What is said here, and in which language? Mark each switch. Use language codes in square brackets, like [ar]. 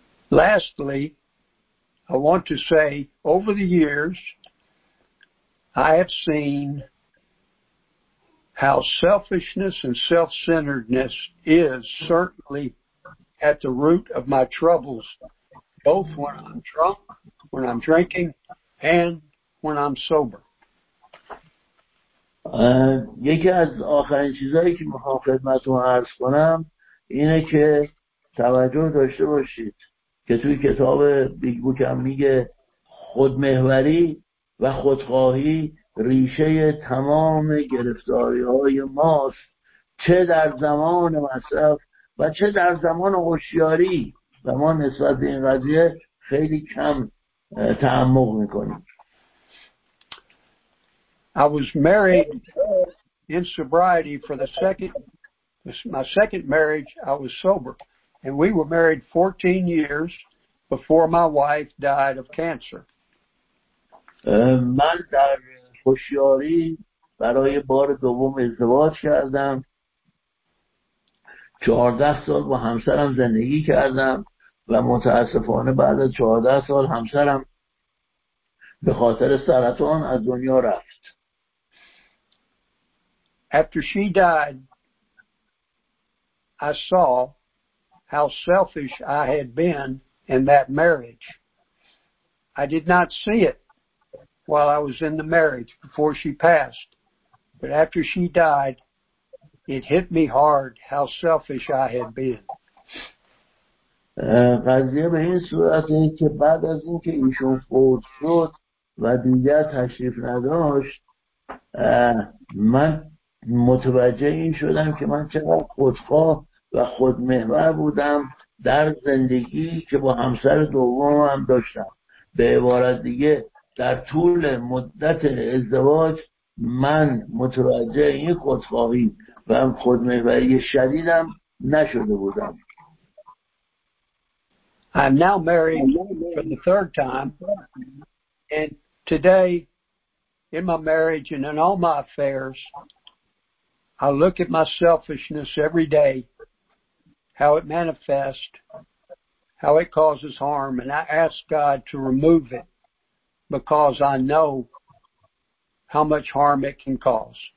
[en] Lastly, I want to say over the years I have seen how selfishness and self-centeredness is certainly at the root of my troubles, both when I'm drunk, when I'm drinking, and when I'm sober. [fa] یکی از آخرین چیزهایی که میخوام خدمتتون عرض کنم اینه که توجه داشته باشید که توی کتاب بیگ بوک هم میگه خودمحوری و خودخواهی ریشه تمام گرفتاری‌های ماست، چه در زمان مصرف و چه در زمان هوشیاری. و ما نسبت به این قضیه خیلی کم تعمق می‌کنیم. [en] I was married in sobriety for my second marriage. I was sober and we were married 14 years before my wife died of cancer. [fa] من در هوشیاری برای بار دوم ازدواج کردم. 14 سال با همسرم زندگی کردم و متاسفانه بعد از 14 سال همسرم به خاطر سرطان از دنیا رفت. [en] After she died, I saw how selfish I had been in that marriage. I did not see it while I was in the marriage before she passed. But after she died, it hit me hard how selfish I had been. [fa] قضیه به این صورت این که بعد از این که ایشون فوت شد و دیگر تشریف نداشت من متوجه این شدم که من چقدر خودخواه و خودمحور بودم در زندگی که با همسر دومم هم داشتم. به عبارت دیگه در طول مدت ازدواج من متوجه این خودخواهی و خودمحوری شدیدم نشده بودم. [en] I'm now married for the third time, and today, in my marriage and in all my affairs, I look at my selfishness every day, how it manifests, how it causes harm, and I ask God to remove it because I know how much harm it can cause.